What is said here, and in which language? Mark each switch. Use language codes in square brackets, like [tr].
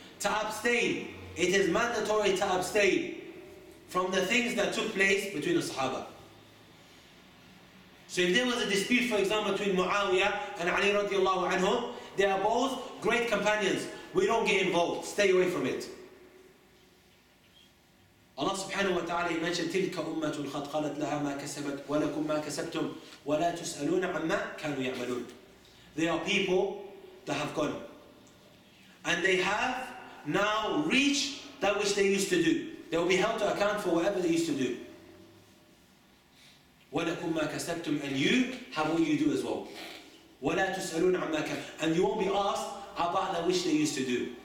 [en] To abstain, it is mandatory to abstain from the things that took place between the Sahaba. So if there was a dispute, for example, between Muawiyah and Ali radiallahu anhum, they are both great companions. We don't get involved, stay away from it. [ar] Allah subhanahu wa ta'ala mentioned تِلْكَ أُمَّةٌ قَدْ قَالَتْ لَهَا مَا كَسَبَتْ وَلَكُمْ مَا كَسَبْتُمْ وَلَا تُسْأَلُونَ عَمَّا كَانُوا يَعْمَلُونَ. [en] They are people that have gone. And they have now reached that which they used to do. They will be held to account for whatever they used to do. وَلَكُمْ مَا كَسَبْتُمْ and you have what you do as well. وَلَا تُسْأَلُونَ عَمَّا كَانُوا and you won't be asked about that which they used to do.